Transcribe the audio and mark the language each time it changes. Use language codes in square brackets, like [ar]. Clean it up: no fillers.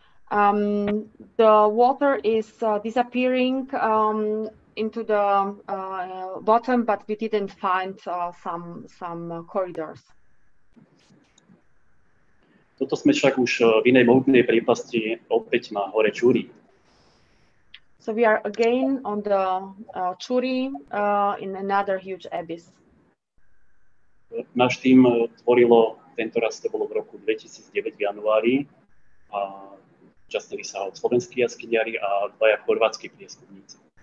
[en] The water is disappearing into the bottom, but we didn't find some corridors. [sk] Toto sme však už v inej mohutnej priepasti opäť na hore Čúri. [en] So we are again on the Čúri in another huge abyss. [sk] Náš tým tvorilo, tento raz to bolo v roku 2009 v januári, a účastnili sa od slovenskí jaskyniari a dvaja chorvátski prieskumníci.